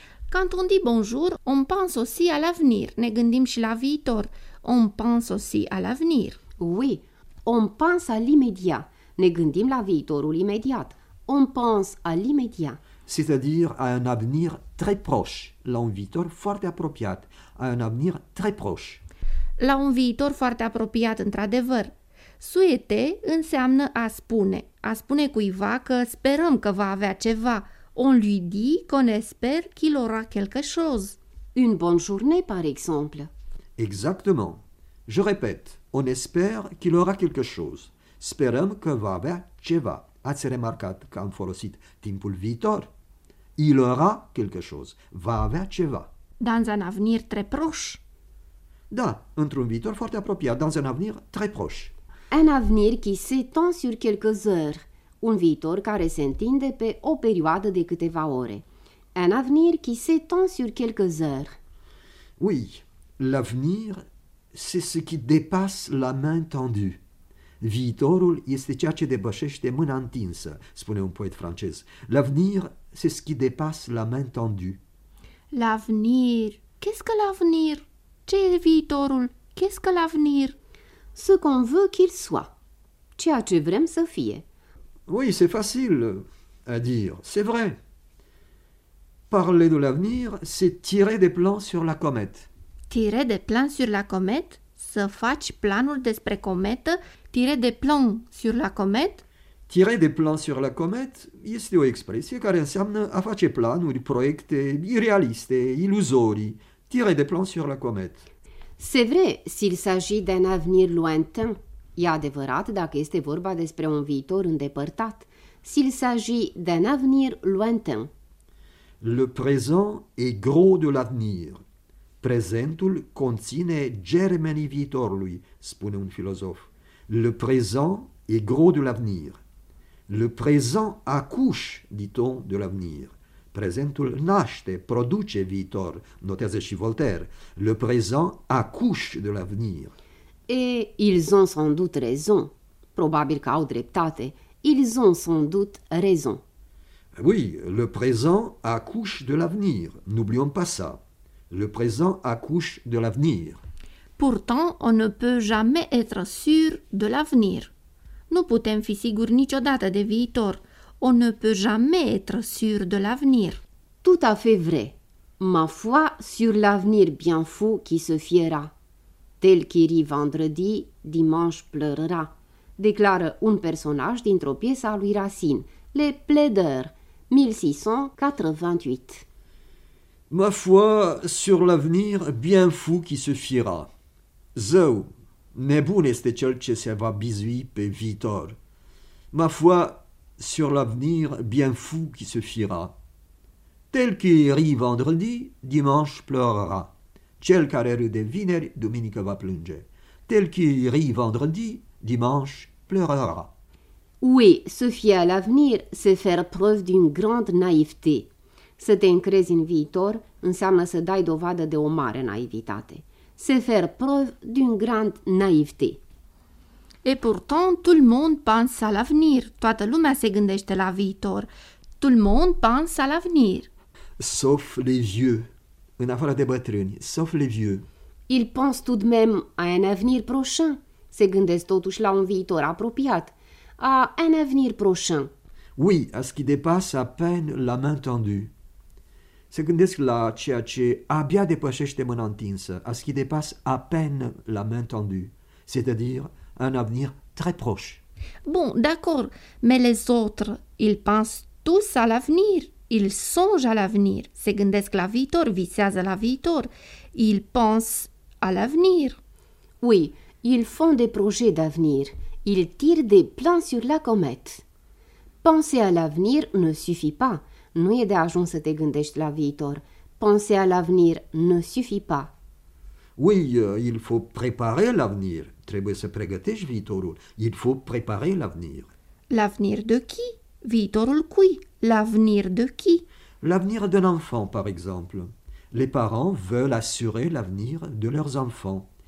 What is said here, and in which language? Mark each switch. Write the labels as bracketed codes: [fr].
[fr] Quand on dit bonjour, on pense aussi à l'avenir. [ro] Ne gândim și la viitor. [fr] On pense aussi à l'avenir. Oui, on pense à l'immédiat. [ro] Ne gândim la viitorul imediat. [fr] On pense à l'immédiat. C'est-à-dire à un avenir très proche. [ro] La un viitor foarte apropiat. [fr] À un avenir très proche. [ro] La un viitor foarte apropiat, într-adevăr. Suete înseamnă a spune. A spune cuiva că sperăm că va avea ceva. [fr] On lui dit qu'on espère qu'il aura quelque chose. Une bonne journée, par exemple. Exactement. Je répète, on espère qu'il aura quelque chose. [ro] Sperăm că va avea ceva. Ați remarcat că am folosit timpul viitor? [fr] Il aura quelque chose. [ro] Va avea ceva. [fr] Dans un avenir très proche. [ro] Da, într-un viitor foarte apropiat. [fr] Dans un avenir très proche. Un avenir qui s'étend sur quelques heures. [ro] Un viitor care se întinde pe o perioadă de câteva ore. [fr] Un avenir qui s'étend sur quelques heures. Oui, l'avenir, c'est ce qui dépasse la main tendue. [ro] Viitorul este ceea ce depășește mâna întinsă, spune un poet francez. [fr] L'avenir, c'est ce qui dépasse la main tendue. L'avenir, qu'est-ce que l'avenir? [ro] Ce e viitorul? [fr] Qu'est-ce que l'avenir? Ce qu'on veut qu'il soit. [ro] Ceea ce vrem să fie. [fr] Oui, c'est facile à dire, c'est vrai. Parler de l'avenir, c'est tirer des plans sur la comète. Tirer des plans sur la comète? [ro] Să faci planuri despre cometă? [fr] Tirer des plans sur la comète? Tirer des plans sur la comète [ro] este o expresie care înseamnă a face planuri, proiecte irrealiste, iluzorii. [fr] Tirer des plans sur la comète. C'est vrai, s'il s'agit d'un avenir lointain. [ro] E adevărat dacă este vorba despre un viitor îndepărtat. [fr] S'il s'agit d'un avenir lointain. Le présent est gros de l'avenir. [ro] Prezentul conține germenii viitorului, spune un filozof. [fr] Le présent est gros de l'avenir. Le présent accouche, dit-on, de l'avenir. [ro] Prezentul naște, produce viitor, notează și Voltaire. [fr] Le présent accouche de l'avenir. Et ils ont sans doute raison. [ro] Probabil că au dreptate. [fr] Ils ont sans doute raison. Oui, le présent accouche de l'avenir. N'oublions pas ça. Le présent accouche de l'avenir. Pourtant, on ne peut jamais être sûr de l'avenir. [ro] Nu putem fi siguri niciodată de viitor. [fr] On ne peut jamais être sûr de l'avenir. Tout à fait vrai. Ma foi sur l'avenir bien fou qui se fiera. Tel qui rit vendredi, dimanche pleurera, [ro] declară un personaj dintr-o piesă a lui Racine, Les Plaideurs, 1688. [fr] Ma foi, sur l'avenir, bien fou qui se fiera. [ro] Zău, nebun este cel ce se va bizui pe viitor. [fr] Ma foi, sur l'avenir, bien fou qui se fiera. Tel qui rit vendredi, dimanche pleurera. [ro] Cel care râde vineri, duminică va plânge. [fr] Tel qui rit vendredi, dimanche pleurera. Oui, se fie à l'avenir, c'est faire preuve d'une grande naïveté. [ro] Să te încrezi în viitor înseamnă să dai dovadă de o mare naivitate. [fr] Se faire preuve d'une grande naïveté. Et pourtant, tout le monde pense à l'avenir. [ro] Toată lumea se gândește la viitor. [fr] Tout le monde pense à l'avenir. Sauf les vieux. [ro] În afară de bătrâni, [fr] sauf les vieux. Ils pensent tout de même à un avenir prochain. [ro] Se gândesc totuși la un viitor apropiat. [fr] À un avenir prochain. Oui, à ce qui dépasse à peine la main tendue. [ro] Se gândesc la ceea ce abia depășește mâna întinsă. [fr] À ce qui dépasse à peine la main tendue. C'est-à-dire un avenir très proche. Bon, d'accord. Mais les autres, ils pensent tous à l'avenir. Ils songent à l'avenir, [ro] se gândesc la viitor, visează la viitor. [fr] Ils pensent à l'avenir. Oui, ils font des projets d'avenir. Ils tirent des plans sur la comète. Penser à l'avenir ne suffit pas. [ro] Nu e de ajuns să te gândești la viitor. [fr] Penser à l'avenir ne suffit pas. Oui, il faut préparer l'avenir. [ro] Trebuie să pregătești viitorul. [fr] Il faut préparer l'avenir. L'avenir de qui? [ro] Viitorul cui? [fr] L'avenir de qui? L'avenir d'un enfant, par exemple. Les parents veulent assurer l'avenir de leurs enfants.